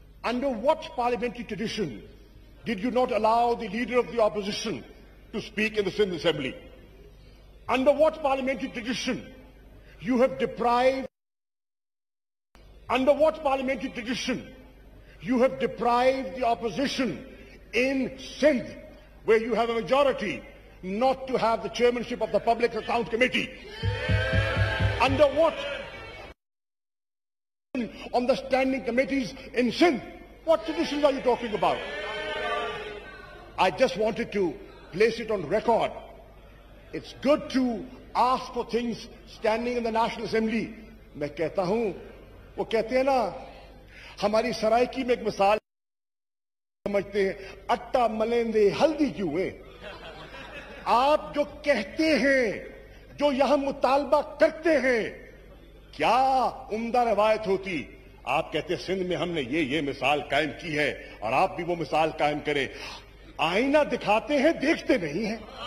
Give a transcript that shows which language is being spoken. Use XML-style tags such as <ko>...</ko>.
<en>Under what parliamentary tradition did you not allow the leader of the opposition to speak in the Sindh assembly, under what parliamentary tradition you have deprived, under what parliamentary tradition you have deprived the opposition in Sindh where you have a majority not to have the chairmanship of the public account committee, yeah. Under what on the standing committees in Sindh, what traditions are you talking about? I just wanted to place it on record, it's good to ask for things standing in the National Assembly.</en> <ur>میں کہتا ہوں، وہ کہتے ہیں نا ہماری سرائکی میں ایک مثال سمجھتے ہیں،</ur> <skr>اٹا ملیندے ہلدی کیوں ہے،</skr> <ur>آپ جو کہتے ہیں، جو یہاں مطالبہ کرتے ہیں، کیا عمدہ روایت ہوتی، آپ کہتے ہیں سندھ میں ہم نے یہ مثال قائم کی ہے، اور آپ بھی وہ مثال قائم کریں، آئینہ دکھاتے ہیں دیکھتے نہیں ہیں،</ur>